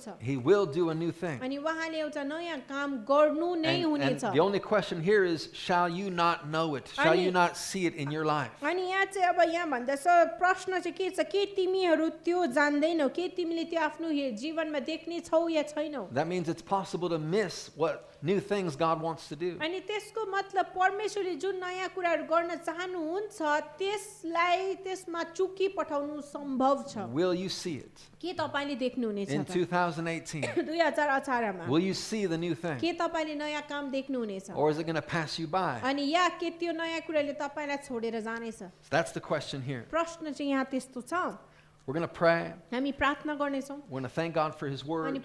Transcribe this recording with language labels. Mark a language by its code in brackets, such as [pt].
[en] He will do a new thing. And the only question here is, shall you not know it? Shall you not see it in your life? That means it's possible to miss what new things God wants to do. [ne] अनि त्यसको मतलब परमेश्वरले जुन नयाँ कुराहरू गर्न चाहनुहुन्छ त्यसलाई त्यसमा चुकी पठाउनु सम्भव छ [en] Will you see it? [ne] के तपाईले देख्नुहुनेछ [en] In 2018 [ne] 2018मा [en] Will you see the new thing? [ne] के तपाईले नयाँ काम देख्नुहुनेछ [en] Or is it going to pass you by? [ne] अनि या के त्यो नयाँ कुराले तपाईलाई छोडेर जानेछ [en] That's the question here. [ne] प्रश्न चाहिँ यहाँ त्यस्तो छ [en] We're going to pray. We're going to thank God for His Word.